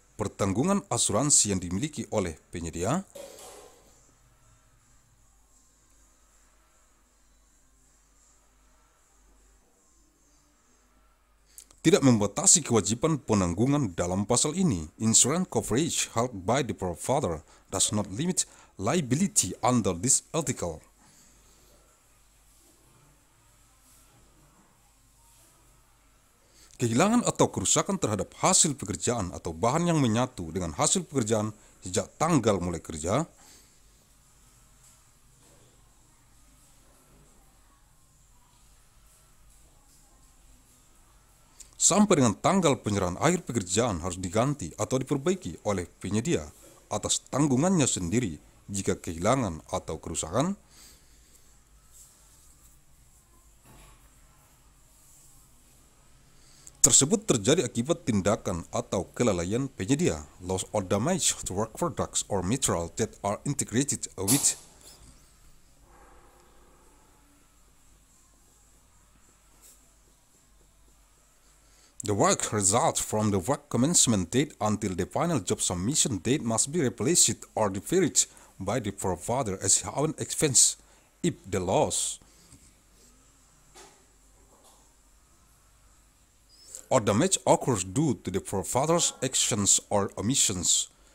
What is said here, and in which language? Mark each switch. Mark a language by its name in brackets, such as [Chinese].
[Indonesian] Pertanggungan asuransi yang dimiliki oleh penyedia tidak membatasi kewajiban penanggungan dalam pasal ini. [English] Insurance coverage held by the provider does not limit liability under this article. [Indonesian] Kehilangan atau kerusakan terhadap hasil pekerjaan atau bahan yang menyatu dengan hasil pekerjaan sejak tanggal mulai kerja sampai dengan tanggal penyerahan akhir pekerjaan harus diganti atau diperbaiki oleh penyedia atas tanggungannya sendiri jika kehilangan atau kerusakan ter- tersebut terjadi akibat tindakan atau kelalaian penyedia, [English] loss or damage to work products or material that are integrated with the work results from the work commencement date until the final job submission date must be replaced or deferred by the provider as an expense if the loss or damage occurs due to the provider's actions or omissions.